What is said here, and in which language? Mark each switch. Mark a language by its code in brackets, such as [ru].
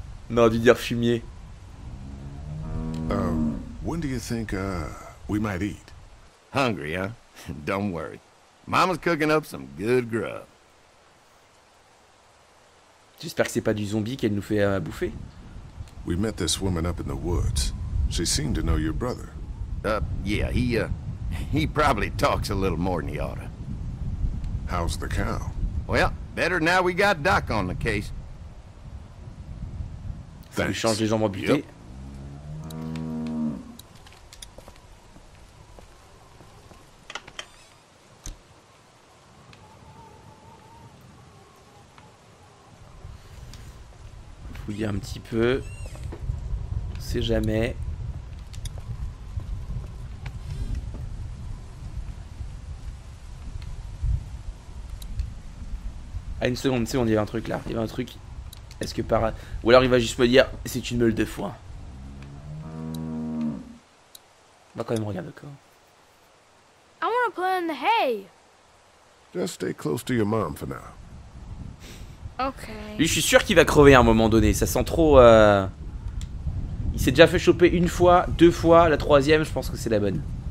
[fr] On aurait dû dire fumier. [en] When do you think we might eat? Hungry, huh? Don't worry. Mama's cooking up some good grub. [fr] J'espère que c'est pas du zombie qu'elle nous fait bouffer. [en] We met this woman up in the woods. She seemed to know your brother. He probably talks a little more than he ought to. How's the cow? Well, better now we got Doc on the case. [fr] Thanks. Ça change les jambes amputées. Yep. Fouiller un petit peu, on sait jamais. Ah, une seconde, tu sais, on dit un truc là. Il y avait un truc. Est-ce que par. Ou alors il va juste me dire c'est une meule de foin. On va quand même regarder, quoi. [en] I wanna play in the hay. Just stay close to your mom for now. Okay. [fr] Lui, je suis sûr qu'il va crever à un moment donné. Ça sent trop. Il s'est déjà fait choper une fois, deux fois, la troisième, je pense que c'est la bonne.